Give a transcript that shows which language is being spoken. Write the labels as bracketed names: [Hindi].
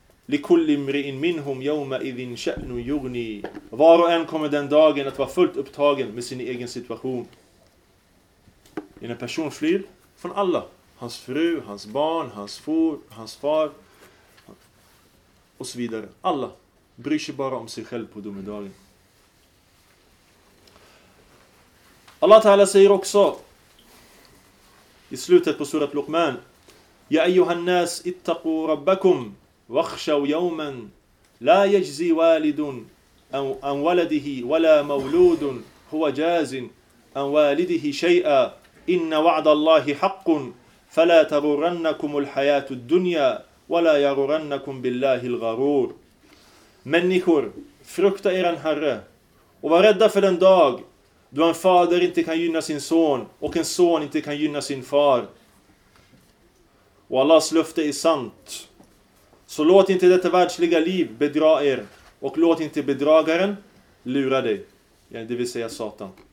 [Arabic] لِكُلِّ امْرِئٍ مِنْهُمْ يَوْمَئِذٍ شَأْنٌ يُغْنِيهِ, [Swedish] var och en kommer den dagen att vara fullt upptagen med sin egen situation. En person flyr från alla. Hans fru, hans barn, hans far, hans far och så vidare. Alla bryr sig bara om sig själv på domedagen. Allah Ta'ala säger också i slutet på surat Luqman, [Arabic] يَا أَيُّهَا النَّاسِ اِتَّقُوا رَبَّكُمْ وَخْشَوْ يَوْمًا لَا يَجْزِي وَالِدٌ أَنْ وَلَدِهِ وَلَا مَوْلُودٌ هُوَ جَازٍ أَنْ وَالِدِهِ شَيْئًا إِنَّ وَعْدَ اللَّهِ حَقٌّ فَلَا تَغُرَّنَّكُمُ الْحَيَاتُ الدُّنْيَا وَلَا يَغُرَّنَّكُمْ بِاللَّهِ الْغَرُورِ. [Swedish] Människor, frukta er Herre och var rädda för den dag då en fader inte kan gynna sin son och en son inte kan gynna sin far. Och Allahs löfte är sant. Så låt inte detta världsliga liv bedra er, och låt inte bedragaren lura dig, ja, det vill säga Satan.